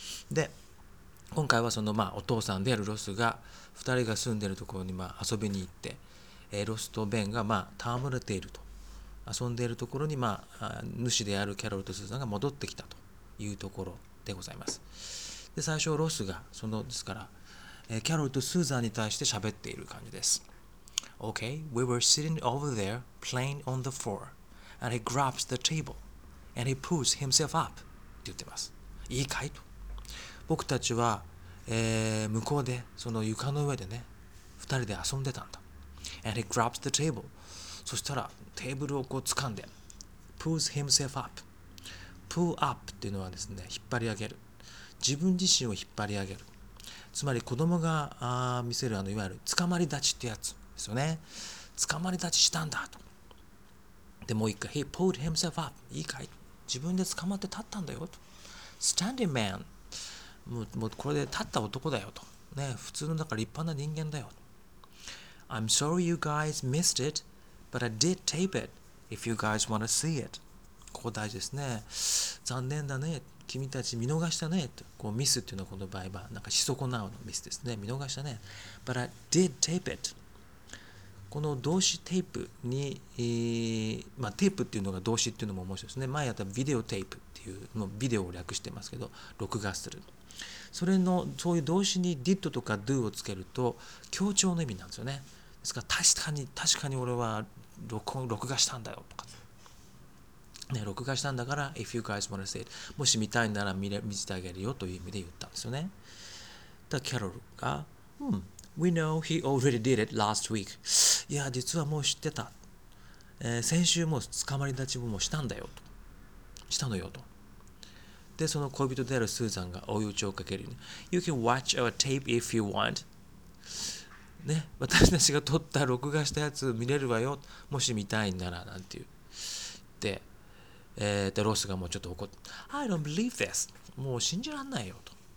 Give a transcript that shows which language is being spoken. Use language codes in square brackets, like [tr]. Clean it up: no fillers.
[ja] で今回はその、まあ、お父さんであるロスが2人が住んでいるところに、まあ、遊びに行って、ロスとベンが、まあ、戯れていると、遊んでいるところに、まあ、主であるキャロルとスーザンが戻ってきたというところでございます。で最初ロスがそのですから、キャロルとスーザンに対して喋っている感じです。 [en] OK, we were sitting over there playing on the floor and he grabs the table and he pulls himself up [ja] って言ってます。いいかいと、僕たちは、向こうでその床の上でね二人で遊んでたんだ。 [en] and he grabs the table、 [ja] そしたらテーブルをこう掴んで [en] pulls himself up。 [ja] Pull up っていうのはですね、引っ張り上げる、自分自身を引っ張り上げる、つまり子供が見せるあのいわゆる捕まり立ちってやつですよね。捕まり立ちしたんだと。でもう一回 [en] He pulled himself up、 [ja] いいかい、自分で捕まって立ったんだよと。 [en] Standing man、 [ja] もうこれで立った男だよと、ね、普通のだから立派な人間だよと。 [en] I'm sorry you guys missed it but I did tape it if you guys want to see it。 [ja] ここ大事ですね。残念だね、君たち見逃したね。こうミスっていうのはこの場合はなんかし損なうのミスですね。見逃したね。 [en] But I did tape it。 [ja] この動詞テープに、まあ、テープっていうのが動詞っていうのも面白いですね。前やったビデオテープっていうのビデオを略してますけど、録画する。それのそういう動詞に did とか do をつけると強調の意味なんですよね。ですから確かに俺は録画したんだよとか。ね、録画したんだから [en] If you guys wanna see it、 [ja] もし見たいなら見せてあげるよという意味で言ったんですよね。だキャロルが、 [en] We know he already did it last week。 [ja] いや実はもう知ってた、先週もう捕まり立ちもしたんだよと、したのよと。でその恋人であるスーザンが追い打ちをかけるように [en] You can watch our tape if you want、 [ja] ね、私たちが撮った録画したやつ見れるわよ、もし見たいならなんて言って、でロスがもうちょっと怒って、 [en] I don't believe this、 [ja] もう信じられないよと。